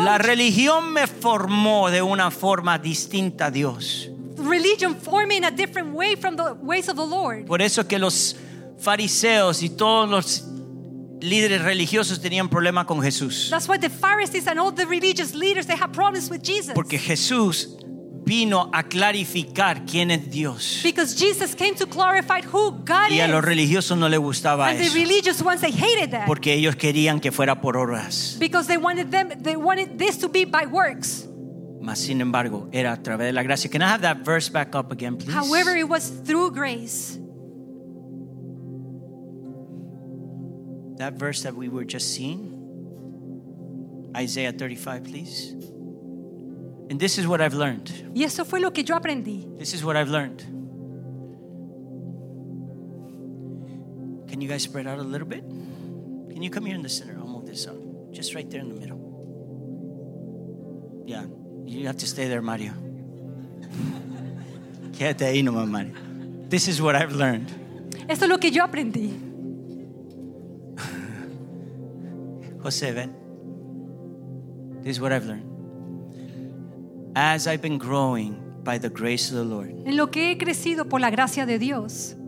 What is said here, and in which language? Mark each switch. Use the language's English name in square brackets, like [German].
[Spanish] La religión me formó de una forma distinta a Dios. [English] Religion formed me in a different way from the ways of the Lord. [Spanish] Por eso que los fariseos y todos los líderes religiosos tenían problema con Jesús. [English] That's why the Pharisees and all the religious leaders, they had problems with Jesus. [Spanish] Porque Jesús vino a clarificar quién es Dios. [English] Because Jesus came to clarify who God is. [Spanish] Y a los religiosos no les gustaba [English] eso. And the religious ones, they hated that. [Spanish] Porque ellos querían que fuera por obras. [English] Because they wanted this to be by works. [Spanish] Mas sin embargo, era a través de la gracia. [English] Can I have that verse back up again, please? However, it was through grace. That verse that we were just seeing, Isaiah 35, please. And this is what I've learned. [Spanish] Y eso fue lo que yo aprendí. [English] This is what I've learned. Can you guys spread out a little bit? Can you come here in the center? I'll move this up. Just right there in the middle. Yeah, you have to stay there, Mario. [Spanish] Quédate ahí nomás, [English] Mario. This is what I've learned. [Spanish] Eso es lo que yo aprendí. [English] Jose, ven. This is what I've learned. As I've been growing by the grace of the Lord, [Spanish] en lo que he crecido por la gracia de Dios,